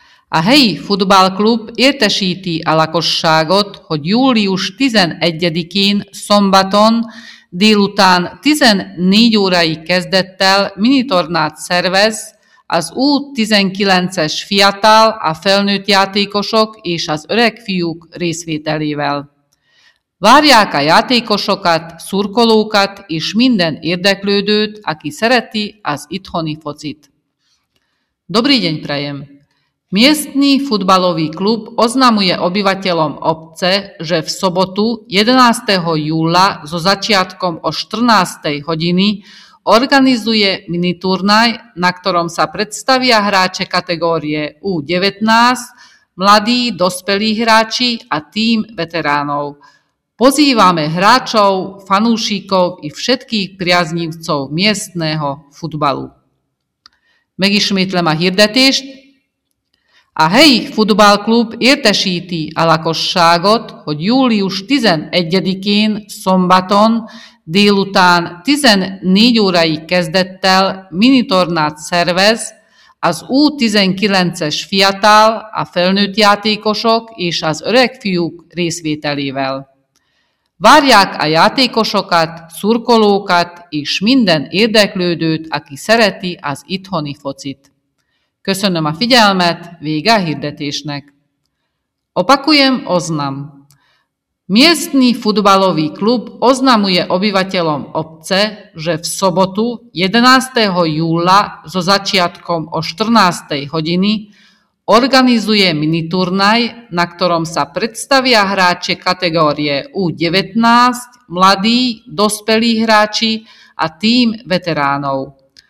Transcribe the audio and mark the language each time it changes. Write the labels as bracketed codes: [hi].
[hu] A helyi futballklub értesíti a lakosságot, hogy július 11-én szombaton délután 14 órai kezdettel minitornát szervez az U19-es fiatal, a felnőtt játékosok és az öreg fiúk részvételével. Várják a játékosokat, szurkolókat és minden érdeklődőt, aki szereti az itthoni focit. [sk] Dobrý deň prajem. Miestny futbalový klub oznamuje obyvateľom obce, že v sobotu 11. júla so začiatkom o 14. hodiny organizuje miniturnaj, na ktorom sa predstavia hráče kategórie U19, mladí dospelí hráči a tím veteránov. Pozývame hráčov, fanúšikov i všetkých priaznivcov miestného futbalu. [hu] Megismétlem a hirdetést. A helyi futballklub értesíti a lakosságot, hogy július 11-én szombaton délután 14 órai kezdettel minitornát szervez az U19-es fiatal, a felnőtt játékosok és az öreg fiúk részvételével. Várják a játékosokat, szurkolókat és minden érdeklődőt, aki szereti az itthoni focit. Köszönöm a figyelmet, vége a hirdetésnek. [sk] Opakujem oznam. Miestny futbalový klub oznamuje obyvateľom obce, že v sobotu 11. júla so začiatkom o 14. hodiny organizuje miniturnaj, na ktorom sa predstavia hráči kategórie U19, mladí, dospelí hráči a tím veteránov.